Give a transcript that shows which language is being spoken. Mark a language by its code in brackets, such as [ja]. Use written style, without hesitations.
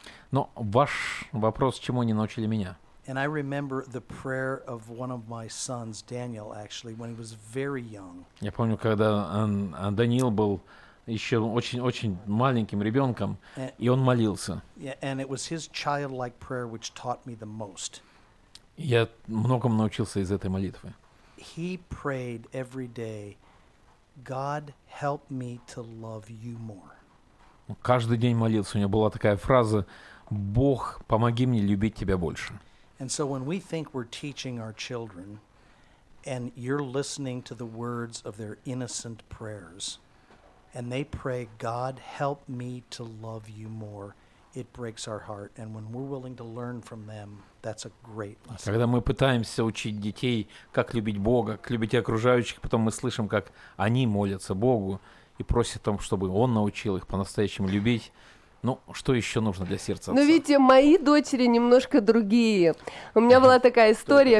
[ru] Но ваш вопрос, чему они научили меня? [en] And I remember the prayer of one of my sons, Daniel, actually, when he was very young. [ru] Я помню, когда Даниил был еще очень-очень маленьким ребенком, и он молился. Я многому научился из этой молитвы. [en] He prayed every day, God help me to love you more. [ru] Каждый день молился. У него была такая фраза: «Бог, помоги мне любить тебя больше». [en] And so when we think we're teaching our children, and you're listening to the words of their innocent prayers, and they pray, God, help me to love you more. It breaks our heart. And when we're willing to learn from them, that's a great lesson. [ru] Когда мы пытаемся учить детей, как любить Бога, как любить окружающих, потом мы слышим, как они молятся Богу и просят о том, чтобы Он научил их по-настоящему любить. Ну, что еще нужно для сердца отца? Ну, видите, мои дочери немножко другие. У меня была такая история.